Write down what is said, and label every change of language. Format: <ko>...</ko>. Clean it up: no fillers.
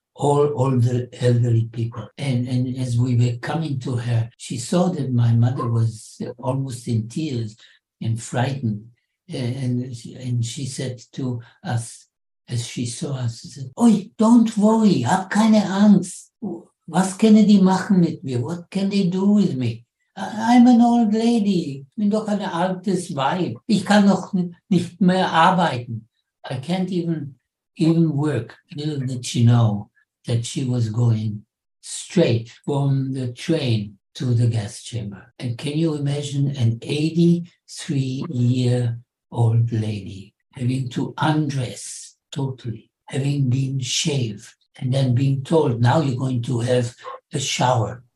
<en>all the elderly people. And as we were coming to her, she saw that my mother was almost in tears and frightened. And she said to us, as she saw us, she said, "Oi, don't worry,</en> <de>hab keine Angst. Was können die machen mit mir?</de> <en>What can they do with me? I'm an old lady.</en> <de>Bin doch ein altes Weib. Ich kann noch nicht mehr arbeiten.</de> <en>I can't even work." Little did she know that she was going straight from the train to the gas chamber. And can you imagine an 83-year-old lady having to undress totally, having been shaved, and then being told, "Now you're going to have a shower."</en>